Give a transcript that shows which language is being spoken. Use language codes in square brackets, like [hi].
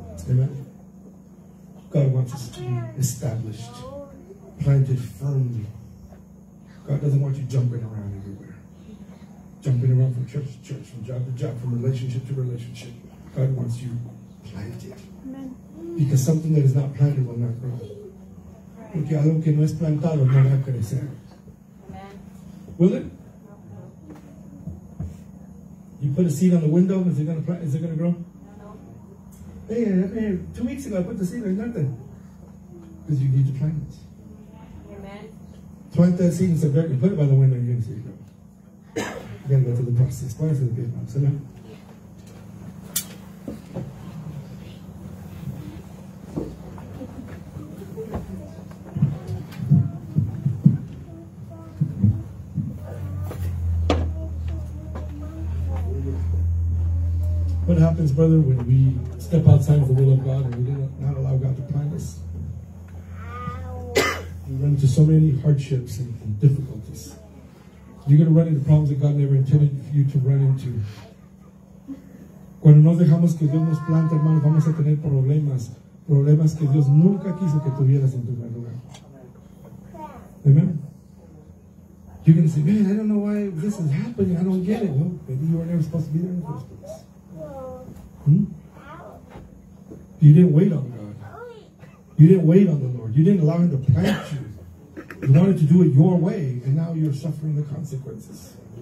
[en] Amen? God wants us to be established. Planted firmly. God doesn't want you jumping around everywhere. Jumping around from church to church, from job to job, from relationship to relationship. God wants you planted. Amen. Because something that is not planted will not grow. [es] Porque algo que no es plantado no va a crecer. [en] Amen. Will it? You put a seed on the window, is it going to plant? Is it going to grow? No. Hey, 2 weeks ago I put the seed there, nothing. Because you need to plant it. Plant that seed in the back and put it by the window and you're going to see it grow. You're going to go through the process. Plant it for the big one. Sit down. What happens, brother, when we step outside of the will of God and we do not allow God to plant us? You run into so many hardships and difficulties. You're going to run into problems that God never intended for you to run into. [es] Cuando no dejamos que Dios nos plante, hermanos, vamos a tener problemas. Problemas que Dios nunca quiso que tuvieras en tu lugar. [en] Amen. You're going to say, man, I don't know why this is happening. I don't get it. Well, maybe you were never supposed to be there in the first place. You didn't wait on God. You didn't wait on the Lord. You didn't allow Him to plant you. You wanted to do it your way, and now you're suffering the consequences.